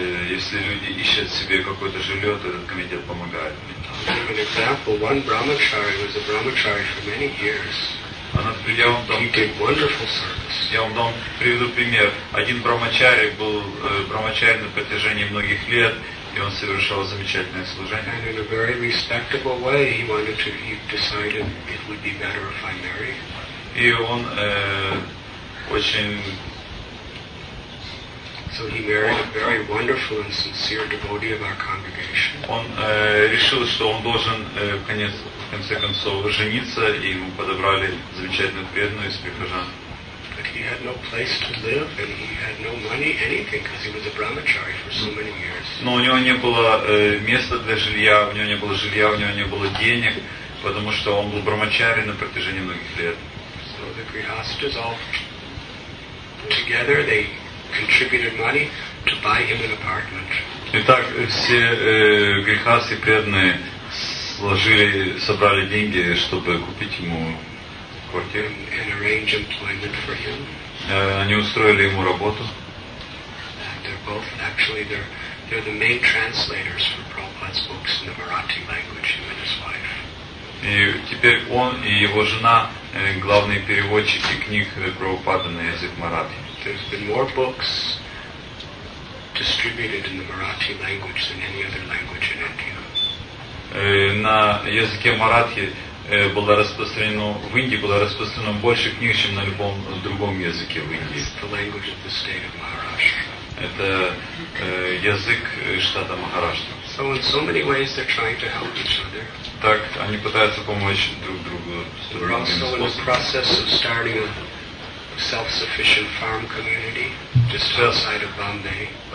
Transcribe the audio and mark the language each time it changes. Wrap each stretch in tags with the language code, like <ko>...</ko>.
<ru>Если люди ищут себе какое-то жилье, то этот комитет помогает.</ru> <en>I'll give an example. One brahmachari was a brahmachari for many years.</en> <ru>Я вам дам, приведу пример. Один брахмачари был брахмачари на протяжении многих лет, и он совершал замечательное служение.</ru> <en>And in a very respectable way, he wanted to, he decided it would be better if I marry.</en> <ru>И он очень...</ru> <en>So he married a very wonderful and sincere devotee of our congregation.</en> <ru>Он решил, что он должен в конце концов жениться, и ему подобрали замечательную преданную из прихожан.</ru> <en>But he had no place to live, and he had no money, anything, because he was a brahmachari for so many years.</en> <ru>Но у него не было места для жилья, у него не было жилья, у него не было денег, потому что он был брахмачари на протяжении многих лет.</ru> <en>So the grihasthas all together, they contributed money to buy him an apartment.</en> <ru>Итак, все грихасты преданные сложили, собрали деньги, чтобы купить ему квартиру.</ru> <en>And arrange employment for him.</en> <ru>Они устроили ему работу.</ru> <en>They're both, actually, they're the main translators for Prabhupada's books in the Marathi language, him and his wife.</en> <ru>И теперь он и его жена главные переводчики книг Прабхупады на язык Маратхи.</ru> <en>There's been more books distributed in the Marathi language than any other language in India.</en> <ru>На языке Маратхи было распространено, в Индии было распространено больше книг, чем на любом другом языке в Индии.</ru> <en>It's the language of the state of Maharashtra.</en> <ru>Это язык штата Махараштра.</ru> <en>So in so many ways they're trying to help each other.</en> <ru>Так они пытаются помочь друг другу.</ru> <en>We're also in the process of starting a self-sufficient farm community just outside of Bombay.</en>